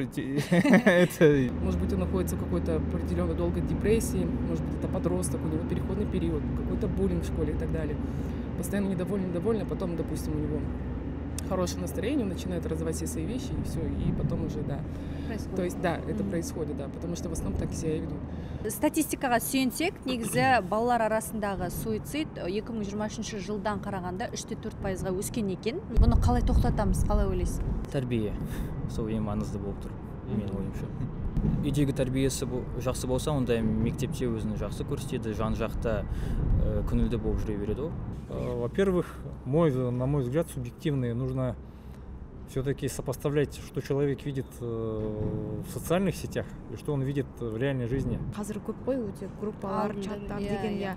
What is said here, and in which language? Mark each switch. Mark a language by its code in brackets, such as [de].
[ru] Может быть, он находится в какой-то определенной долгой депрессии, может быть, это подросток, у него переходный период, какой-то буллинг в школе и так далее. Постоянно недоволен, а потом, допустим, у него хорошее настроение, он начинает развивать все свои вещи, и все, и потом уже, да. Происходит. То есть, да, это происходит, да, потому что в основном так себя ведут. [kk] Статистикаға сүйенсек, негізі балалар арасындағы суицид 2023 жылдан қарағанда 3-4% өскен екен. Бұны қалай тоқтатамыз, қалай ойлайсыз? Тәрбие, сол ең маңызды болып тұр, мен ойымша. Үйдегі тәрбиесі жақсы болса, онда мектепте өзін жақсы көрсетеді, жан-жақта күнілді болып жүре береді ол. [ru] Во-первых, на мой взгляд, субъективный, нужно все-таки сопоставлять, что человек видит в социальных сетях и что он видит в реальной жизни. [kk] Қазір көп қой, өте группалар, чаттар деген, я.